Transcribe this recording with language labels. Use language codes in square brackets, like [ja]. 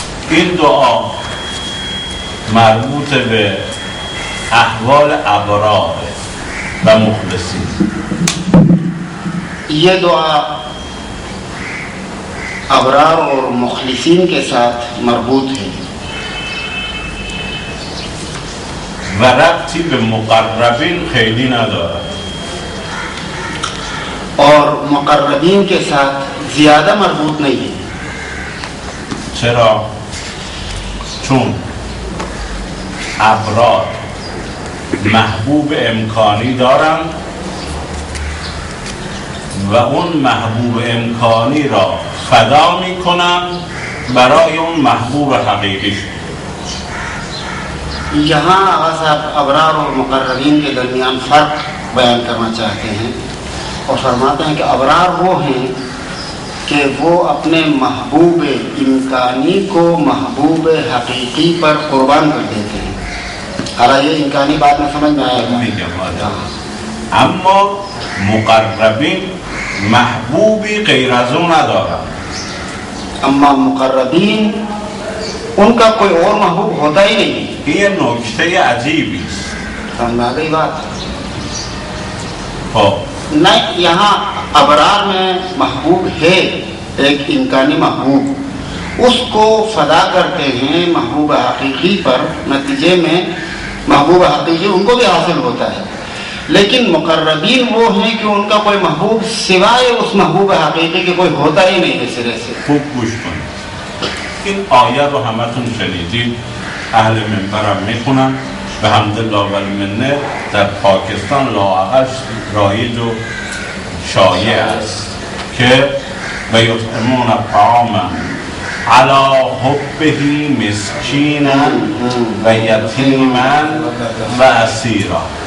[fa] این دعا مربوط به احوال ابرار و مخلصین. [ur] یہ دعا ابرار اور مخلصین کے ساتھ مربوط ہے. [fa] و ربطی به مقربین خیلی ندارد. [ur] اور مقربین کے ساتھ زیادہ مربوط نہیں. [fa] چرا؟ چون ابرار محبوب امکانی دارن و اون محبوب امکانی را فدا می کنن برای اون محبوب حقیقیش. [ur] یہاں آغا صاحب ابرار اور مقربین کے درمیان فرق بیان کرنا چاہتے ہیں اور فرماتے ہیں کہ ابرار وہ ہیں کہ وہ اپنے محبوب امکانی کو محبوب حقیقی پر قربان کر دیتے ہیں. ارا یہ امکانی بات میں سمجھ میں آیا تھا. [fa] اما مقربین محبوبی غیر از او ندارن. [ur] اما مقربین ان کا کوئی اور محبوب ہوتا ہی نہیں. [fa] یہ نکته عجیبی است. [ur] سمجھ آگئی بات؟ ہو نہیں. یہاں ابرار میں محبوب ہے ایک امکانی محبوب, اس کو فدا کرتے ہیں محبوب حقیقی پر, نتیجے میں محبوب حقیقی ان کو بھی حاصل ہوتا ہے. لیکن مقربین وہ ہیں کہ ان کا کوئی محبوب سوائے اس محبوب حقیقی کے کوئی ہوتا ہی نہیں. اس طرح سے [fa] خوب گوش کن این آیه رو همتون شنیدید. اهل منبرم میخونن به حمد الله و المنه در پاکستان لاعقل رایج و شایع است که [ar] و یطعمون الطعام على حبه مسکینا و یتیما و اسیرا.